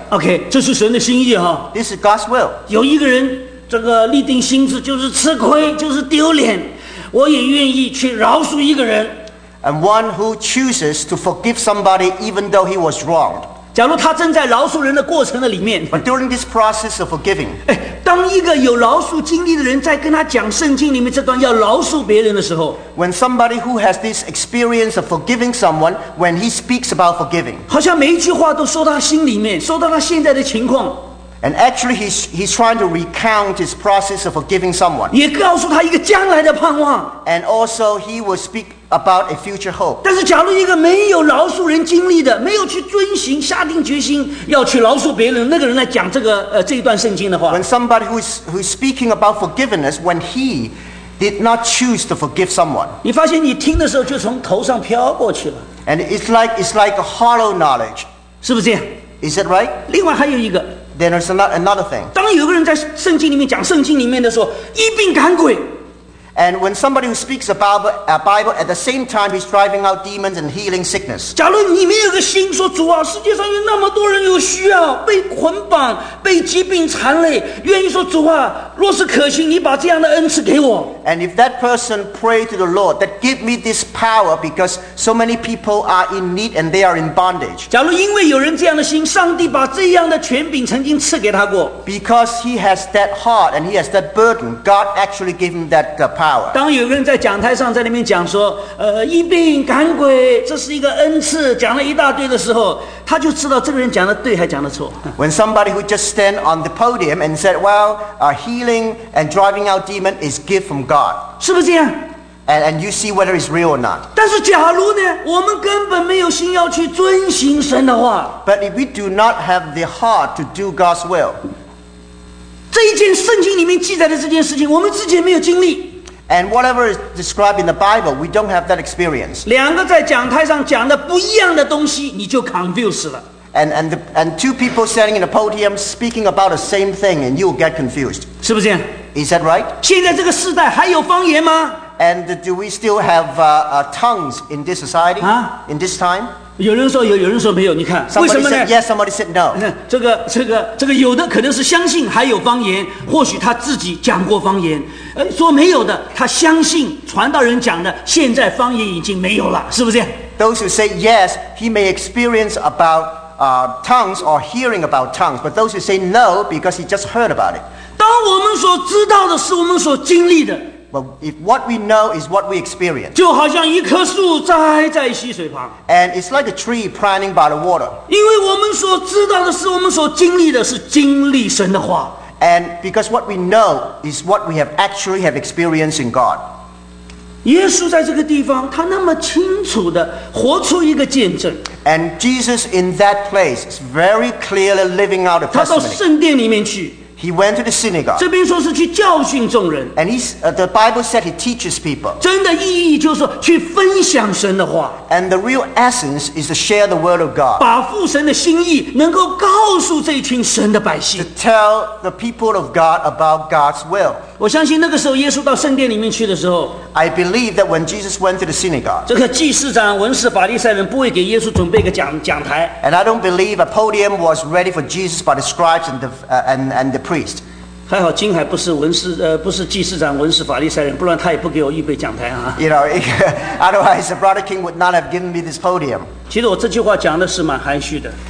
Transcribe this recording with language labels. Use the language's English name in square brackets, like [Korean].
[Chinese] Okay, 这是神的心意哈。 [English] This is God's will. [Chinese] 有一个人这个立定心志，就是吃亏，就是丢脸，我也愿意去饶恕一个人。 [English] And one who chooses to forgive somebody even though he was wronged. [Chinese] 假如他正在饶恕人的过程的里面。 [English] But during this process of forgiving, [Chinese] 当一个有饶恕经历的人在跟他讲圣经里面这段要饶恕别人的时候。 [English] When somebody who has this experience of forgiving someone, when he speaks about forgiving. [Chinese] 好像每一句话都说到他心里面，说到他现在的情况。 [English] And actually he's trying to recount his process of forgiving someone. [Chinese] 也告诉他一个将来的盼望。 [English] And also he will speak about a future hope. [Chinese] 但是假如一个没有饶恕人经历的，没有去遵行下定决心要去饶恕别人那个人来讲这个这一段圣经的话。 [English] When somebody who's speaking about forgiveness, when he did not choose to forgive someone. [Chinese] 你发现你听的时候就从头上飘过去了。 [English] And it's like a hollow knowledge. [Chinese] 是不是这样？ [English] Is that right? [Chinese] 另外还有一个。 [English] Then there's another thing. [Chinese] 当有个人在圣经里面讲圣经里面的时候，一并赶鬼。 [English] And when somebody who speaks about a Bible at the same time he's driving out demons and healing sickness. [Chinese] 假如你没有个心说主啊，世界上有那么多人有需要，被捆绑，被疾病缠累，愿意说主啊，若是可行，你把这样的恩赐给我。 [English] And if that person prayed to the Lord, that give me this power because so many people are in need and they are in bondage. [Chinese] 假如因为有人这样的心，上帝把这样的权柄曾经赐给他过。 [English] Because he has that heart and he has that burden, God actually gave him that power. [Chinese] 当有人在讲台上在那边讲说，医病赶鬼，这是一个恩赐，讲了一大堆的时候，他就知道这个人讲的对还讲的错。 [English] When somebody who just stand on the podium and said, "Well, healing and driving out demon is gift from God." [Chinese] 是不是这样？ [English] And you see whether it's real or not. [Chinese] 但是假如呢，我们根本没有心要去遵行神的话。 [English] But if we do not have the heart to do God's will, [Chinese] 这一件圣经里面记载的这件事情，我们之前没有经历。 [English] And whatever is described in the Bible, we don't have that experience. [Chinese] 两个在讲台上讲的不一样的东西，你就 confused 了。 [English] And two people standing in a podium speaking about the same thing, and you'll get confused. [Chinese] 是不是？ [English] Is that right? [Chinese] 现在这个时代还有方言吗？ [English] And do we still have tongues in this society? 啊？ In this time? [Chinese] 有人说有，有人说没有。你看， [English] somebody [Chinese] 为什么呢？ [English] Said yes, somebody said no. [Chinese] 这个有的可能是相信还有方言，或许他自己讲过方言。说没有的，他相信传道人讲的，现在方言已经没有了，是不是？ [English] Those who say yes, he may experience about tongues or hearing about tongues, but those who say no because he just heard about it. [Chinese] 当我们所知道的是我们所经历的。 [English] Well, if what we know is what we experience. [Chinese] 就好像一棵树栽在溪水旁。 [English] And it's like a tree planted by the water. [Chinese] 因为我们所知道的是我们所经历的是经历神的话。 [English] And because what we know is what we have actually have experienced in God. [Chinese] 耶稣在这个地方，他那么清楚地活出一个见证。 [English] And Jesus in that place is very clearly living out a testimony. [Chinese] 他到圣殿里面去。 [English] He went to the synagogue. [Chinese] 这边说是去教训众人。 [English] And the Bible said he teaches people. [Chinese] 真的意义就是去分享神的话。 [English] And the real essence is to share the word of God. [Chinese] 把父神的心意能够告诉这群神的百姓。 [English] To tell the people of God about God's will. [Chinese] 我相信那个时候耶稣到圣殿里面去的时候， [English] I believe that when Jesus went to the synagogue, [Chinese] 这个祭司长、文士、法利赛人不会给耶稣准备一个 讲台。 [English] And I don't believe a podium was ready for Jesus by the scribes and the priest. [Chinese] 还好金海不是文士，不是祭司长、文士、法利赛人，不然他也不给我预备讲台啊。 [English] You know, otherwise Brother King would not have given me this podium. [Chinese] 其实我这句话讲的是蛮含蓄的。